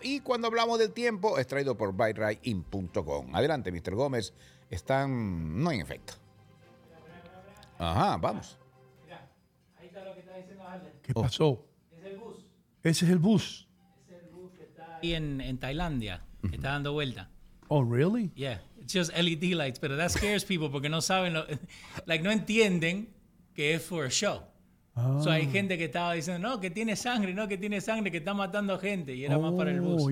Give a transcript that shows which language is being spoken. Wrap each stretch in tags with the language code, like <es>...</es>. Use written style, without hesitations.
<es>Y cuando hablamos del tiempo, es traído por ByRideIn.com. Adelante, Mr. Gómez. Están, no hay efecto. Ajá, vamos. Mira, ahí está lo que está diciendo Arlen. ¿Qué pasó? Es el bus. Ese es el bus. Es el bus que está ahí en Tailandia. Uh-huh. Está dando vuelta.</es> <en>Oh, really? Yeah, it's just LED lights, but that scares people</en> <es>porque no saben, no entienden que es</es> <en>for a show.</en> <es>Oh. So hay gente que estaba diciendo, no, que tiene sangre, que está matando gente. Y era más para el bus.</es>